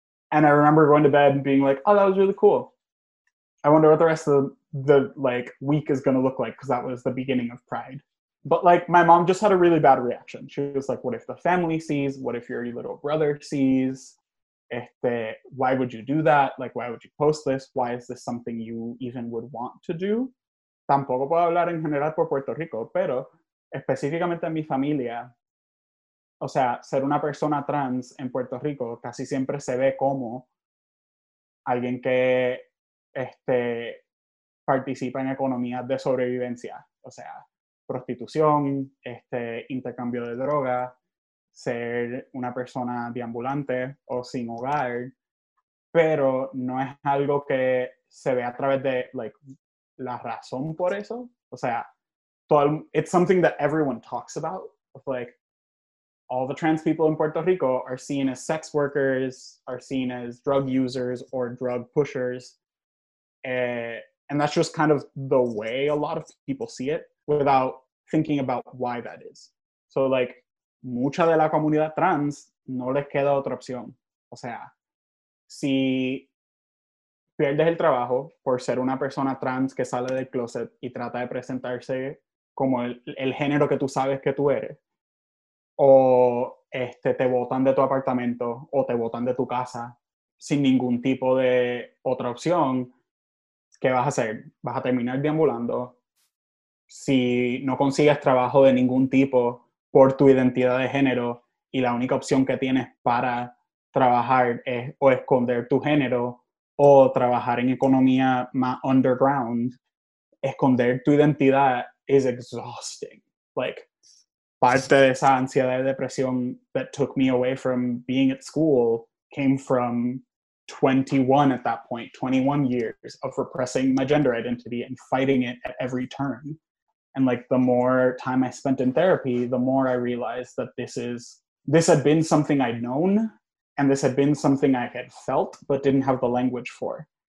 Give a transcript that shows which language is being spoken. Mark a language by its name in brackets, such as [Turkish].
[English] And I remember going to bed and being like, oh, that was really cool. I wonder what the rest of the like week is going to look like, because that was the beginning of Pride. But like my mom just had a really bad reaction. She was like, what if the family sees? What if your little brother sees? Why would you do that? Like, why would you post this? Why is this something you even would want to do? [Spanish] Tampoco puedo hablar en general por Puerto Rico, pero específicamente en mi familia, o sea, ser una persona trans en Puerto Rico casi siempre se ve como alguien que participa en economías de sobrevivencia, o sea, prostitución, intercambio de droga, ser una persona deambulante o sin hogar, pero no es algo que se ve a través de, like, la razón por eso. O sea, [English] it's something that everyone talks about. Like, all the trans people in Puerto Rico are seen as sex workers, are seen as drug users or drug pushers. And that's just kind of the way a lot of people see it without thinking about why that is. So, like, [Spanish] mucha de la comunidad trans no les queda otra opción. O sea, si pierdes el trabajo por ser una persona trans que sale del closet y trata de presentarse como el género que tú sabes que tú eres, o te botan de tu apartamento o te botan de tu casa sin ningún tipo de otra opción, ¿qué vas a hacer? ¿Vas a terminar deambulando? Si no consigues trabajo de ningún tipo por tu identidad de género y la única opción que tienes para trabajar es o esconder tu género o trabajar en economía más underground, esconder tu identidad [English] is exhausting. Like, [Spanish] parte de esa ansiedad y depresión [English] that took me away from being at school came from 21 at that point, 21 years of repressing my gender identity and fighting it at every turn. And, like, the more time I spent in therapy, the more I realized that this had been something I'd known and this had been something I had felt but didn't have the language for.